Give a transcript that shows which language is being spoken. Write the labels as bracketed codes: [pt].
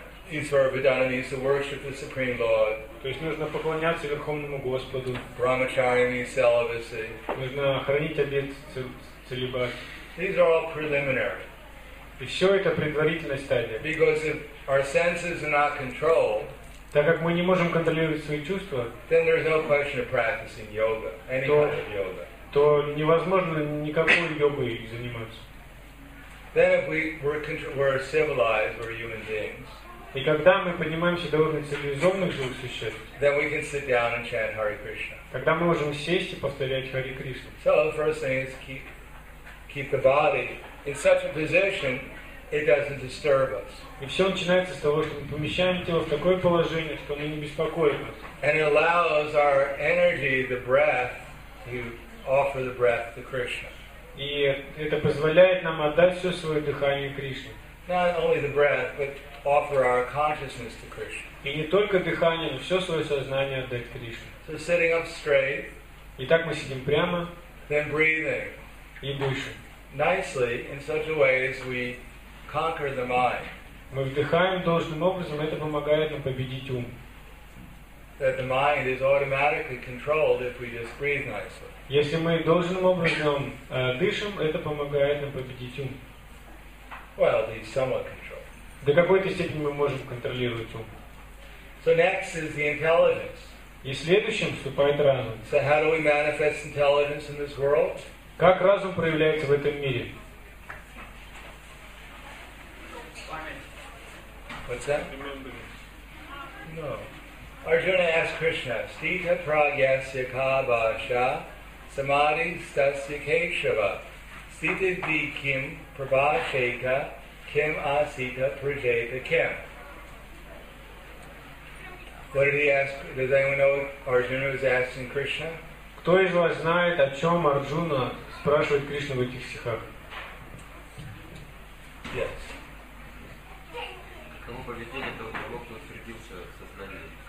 [en] Ishvara Padana means to worship the Supreme Lord. [ru] То есть нужно поклоняться Верховному Господу. [en] Brahmacharya means celibacy. [ru] Нужно хранить обет целибат. [en] These are all preliminary. [ru] И все это предварительная стадия. [en] Because if our senses are not controlled, [ru] так как мы не можем контролировать свои чувства, [en] then there's no question of practicing yoga, any kind of yoga. [ru] То невозможно никакой йогой заниматься. [en] Then if we're civilized, we're human beings. [ru] И когда мы поднимаемся до уровня цивилизованных живых существ, [en] then we can sit down and chant Hare Krishna. [ru] Тогда мы можем сесть и повторять Харе Кришну. [en] So the first thing is keep the body in such a position it doesn't disturb us. [ru] И все начинается с того, что мы помещаем тело в такое положение, что оно не беспокоит нас. [en] And it allows our energy, the breath, to offer the breath to Krishna. [ru] И это позволяет нам отдать все свое дыхание Кришне. [en] Not only the breath, but offer our consciousness to Krishna. [ru] И не только дыхание, но все свое сознание отдать Кришне. [en] So sitting up straight. [ru] Итак, мы сидим прямо. [en] Then breathing. [ru] И дышим. [en] Nicely, in such a way as we conquer the mind. [ru] Мы вдыхаем должным образом, это помогает нам победить ум. [en] That the mind is automatically controlled if we just breathe nicely. [ru] Если мы должным образом дышим, это помогает нам победить ум. [en] Well, at least somewhat controlled. [ru] До какой-то степени мы можем контролировать ум. [en] So next is the intelligence. [ru] И следующим вступает разум. [en] So how do we manifest intelligence in this world? [ru] Как разум проявляется в этом мире? [en] What's that? No. Arjuna asked Krishna, [sa] Stita pragyasya ka bhasha samadhi stasya keshava stita di kim prabhasheka kim asita prajeta kim. [en] What did he ask? Does anyone know what Arjuna was asking Krishna? [ru] Кто из вас знает, о чем Арджуна спрашивает Кришну в этих стихах? [en] Yes. [ru] Кому поведение того, кто утвердился в сознании?